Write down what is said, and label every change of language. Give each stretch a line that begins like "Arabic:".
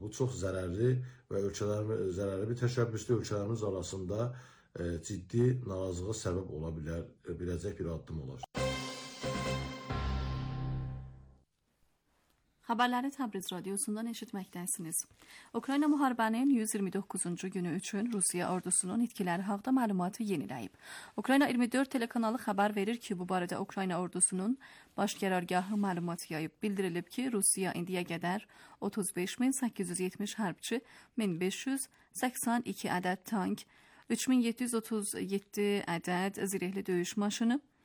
Azerbaijani: Bu çox zərərli və zərərli bir təşəbbüsdür. Ölkələrimiz arasında ciddi narazılığa səbəb ola bilər, biləcək bir addım olar.
Turkish: Haberleri Tabriz Radyosu'ndan eşitmektesiniz.
Azerbaijani: Ukrayna müharibənin 129-cu günü üçün Rusiya ordusunun itkiləri haqda məlumatı yeniləyib. Ukrayna 24 telekanalı xəbər verir ki, bu barədə Ukrayna ordusunun baş qərargahı məlumat yayıb. Bildirilib ki, Rusiya indiyə qədər 35.870 hərbçi, 1582 ədəd tank, 3737 ədəd zirehli döyüş maşını,